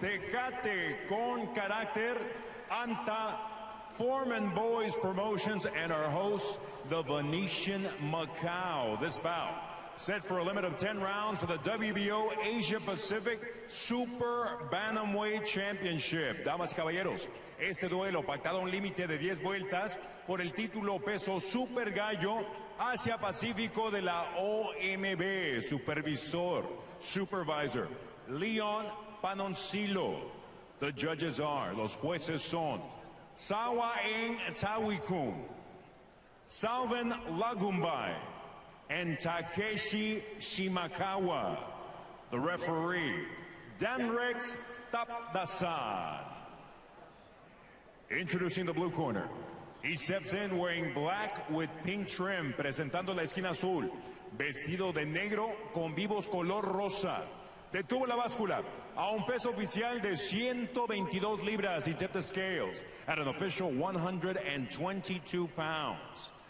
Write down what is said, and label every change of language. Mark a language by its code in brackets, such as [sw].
[en] Tecate con Carácter, Anta Foreman Boys Promotions, and our host, the Venetian Macau. This bout set for a limit of 10 rounds for the WBO Asia Pacific Super Bantamweight Championship. [es] Damas y caballeros, este duelo pactado a un límite de 10 vueltas por el título peso Super Gallo Asia Pacífico de la OMB. [en] Supervisor, Supervisor, Leon Panoncillo. The judges are, [es] los jueces son, [en] Sawa Eng Tawikun, Salvin Lagumbay, and Takeshi Shimakawa. The referee, Danrex Tapdasan. Introducing the blue corner. He steps in wearing black with pink trim, [es] presentando la esquina azul, vestido de negro con vivos color rosa. Detuvo la báscula a un peso oficial de 122 libras. [en] He tipped the scales at an official 122 pounds.